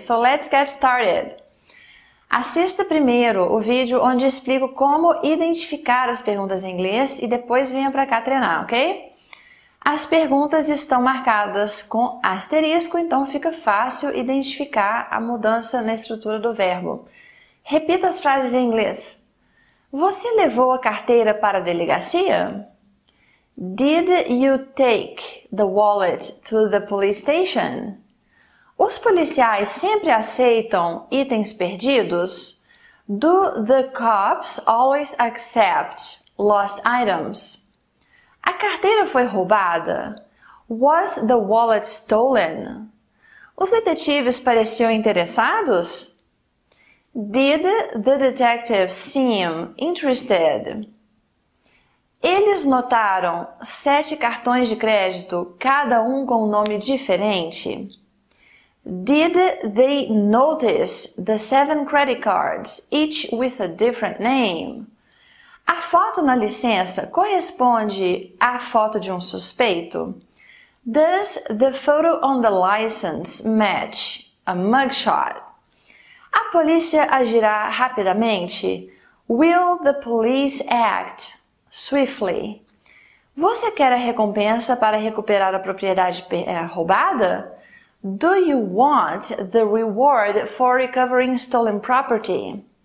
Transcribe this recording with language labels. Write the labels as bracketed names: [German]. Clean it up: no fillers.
[English] So let's get started! [Portuguese] Assista primeiro o vídeo onde explico como identificar as perguntas em inglês e depois venha para cá treinar, ok? As perguntas estão marcadas com asterisco, então fica fácil identificar a mudança na estrutura do verbo. Repita as frases em inglês. Você levou a carteira para a delegacia? [English] Did you take the wallet to the police station? [Portuguese] Os policiais sempre aceitam itens perdidos? [English] Do the cops always accept lost items? [Portuguese] A carteira foi roubada? [English] Was the wallet stolen? [Portuguese] Os detetives pareciam interessados? [English] Did the detective seem interested? [Portuguese] Eles notaram 7 cartões de crédito, cada um com um nome diferente? [English] Did they notice the 7 credit cards, each with a different name? [Portuguese] A foto na licença corresponde à foto de um suspeito? [English] Does the photo on the license match a mugshot? [Portuguese] A polícia agirá rapidamente? [English] Will the police act swiftly? [Portuguese] Você quer a recompensa para recuperar a propriedade roubada? [English] Do you want the reward for recovering stolen property?